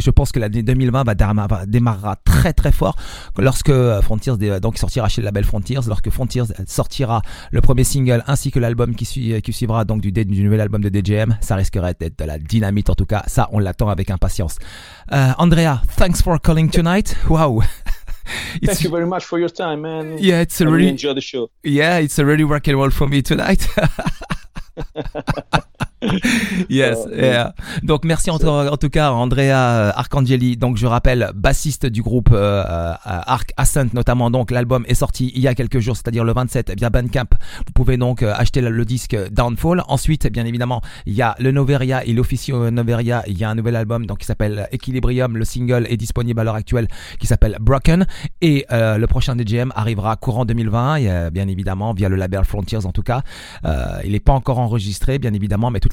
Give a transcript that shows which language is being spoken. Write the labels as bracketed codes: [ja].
[fr] Je pense que l'année 2020 démarrera très très fort. Lorsque Frontiers donc sortira chez le label Frontiers, lorsque Frontiers sortira le premier single ainsi que l'album qui suivra, donc du nouvel album de DGM, ça risquerait d'être de la dynamite. En tout cas, ça, on l'attend avec impatience. [en] Andrea, thanks for calling tonight. Wow. Thank you very much for your time, man. Yeah, it's a really enjoy the show. Yeah, it's a really rock and roll for me tonight. Yes, yeah. [fr] Donc merci en tout cas Andrea Arcangeli, donc je rappelle, bassiste du groupe Arc Ascent notamment. Donc l'album est sorti il y a quelques jours, c'est-à-dire le 27, via Bandcamp. Vous pouvez donc acheter le disque Downfall. Ensuite, bien évidemment, il y a le Noveria, il officie Noveria, il y a un nouvel album donc qui s'appelle Equilibrium, le single est disponible à l'heure actuelle, qui s'appelle Broken, et le prochain DGM arrivera courant 2020, bien évidemment via le label Frontiers. En tout cas, il n'est pas encore enregistré, bien évidemment, mais toute